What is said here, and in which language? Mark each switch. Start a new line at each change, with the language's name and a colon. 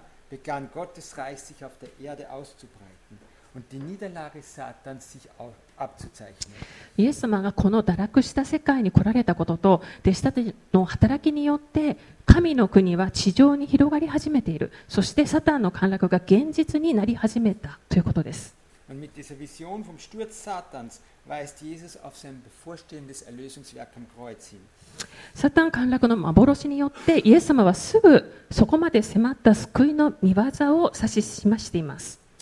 German: begann Gottes Reich sich auf der Erde auszubreiten und die Niederlage Satans sich abzuzeichnen.
Japanese: イエス様がこの堕落した世界に来られたことと、弟子たちの働きによって神の国は地上に広がり始めている。そしてサタンの陥落が現実になり始めたということです。
German: Und mit dieser Vision vom Sturz Satans weist Jesus auf sein bevorstehendes Erlösungswerk am Kreuz hin.
Japanese: サタン陥落の幻によってイエス様はすぐそこまで迫った救いの御業を指し示しています。